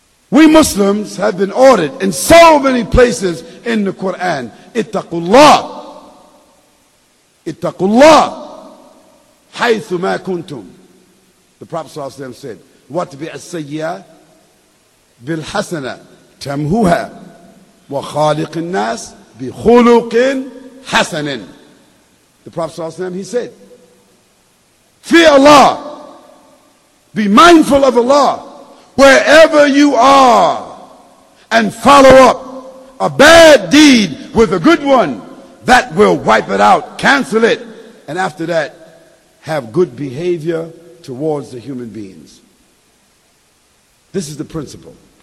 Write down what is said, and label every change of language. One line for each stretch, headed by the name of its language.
English: We Muslims have been ordered in so many places in the Quran, ittaqullah, ittaqullah,
Arabic: حَيْثُ مَا كُنْتُمْ.
English: The Prophet ﷺ said,
Arabic: وَاتْبِعَ السَّيِّئَةَ بِالْحَسَنَةِ تَمْهُوهَا وَخَالِقِ النَّاسِ بِخُلُقٍ حَسَنٍ.
English: The Prophet ﷺ, he said, fear Allah, be mindful of Allah wherever you are, and follow up a bad deed with a good one. That will wipe it out, cancel it. And after that, have good behavior towards the human beings. This is the principle.